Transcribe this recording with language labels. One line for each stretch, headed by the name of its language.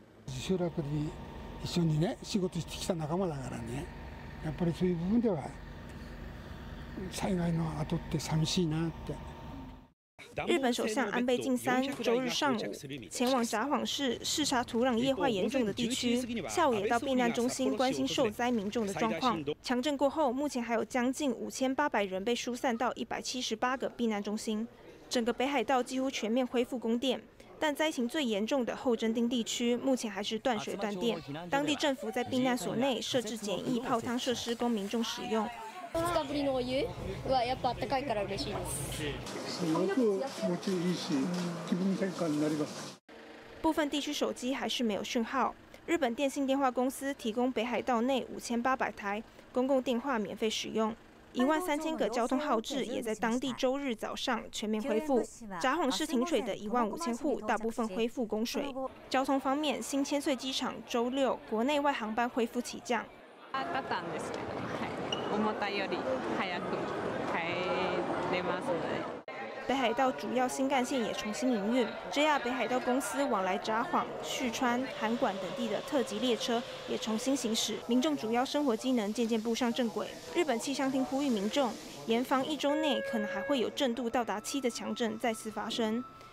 Japanese: 集落に一緒にね仕事してきた仲間だからね、やっぱりそういう部分では災害の後って寂しいなって。
Chinese: 日本首相安倍晋三周日上午前往札幌市视察土壤液化严重的地区，下午也到避难中心关心受灾民众的状况。强震过后，目前还有将近5800人被疏散到178个避难中心，整个北海道几乎全面恢复供电。但灾情最严重的后征町地区目前还是断水断电，当地政府在避难所内设置简易泡汤设施供民众使用。
Japanese: 2日ぶりのお湯はやっぱ暖かいから嬉しいです。すごく気持ちいいし、気分転換になります。
Chinese: 部分地区手机还是没有讯号。日本电信电话公司提供北海道内5800台公共电话免费使用。 13000个交通号志也在当地周日早上全面恢复。札幌市停水的15000户大部分恢复供水。交通方面，新千岁机场周六国内外航班恢复起降。
Japanese: だったんですけど。重たいより早く帰れますね。
Chinese: 北海道主要新干线也重新营运。JR 北海道公司往来札幌、旭川、函馆等地的特急列车也重新行驶，民众主要生活机能渐渐步上正轨。日本气象厅呼吁民众严防一周内可能还会有震度到达7的强震再次发生。